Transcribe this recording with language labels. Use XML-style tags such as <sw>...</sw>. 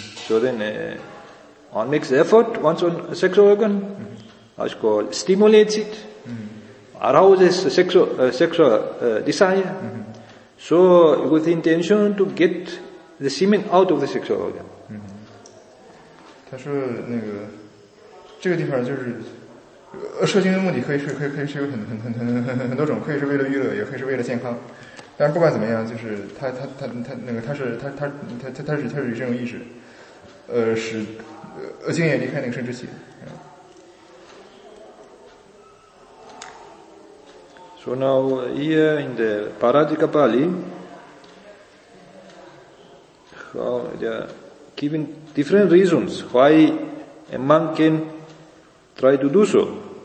<en>So then, one makes effort once on a sex organ. That's called stimulates it, arouses sexual desire. So with the intention to get the semen out of the sexual organ.</en> <zh>他说那个这个地方就是射精的目的可以是有很多种，可以是为了娱乐，也可以是为了健康。但是不管怎么样，就是他是这种意识，使精液离开那个生殖器。</zh> <en>So now here in the Parajika Pali, how they are given different reasons why a man can try to do so.</en>